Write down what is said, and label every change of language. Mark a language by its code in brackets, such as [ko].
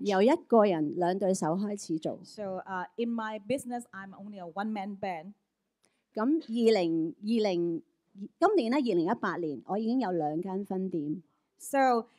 [yue] 由1個人2雙手開始做。So [en] in my business, I'm only a one-man band. [yue] 咁2018年，我已經有2間分店。So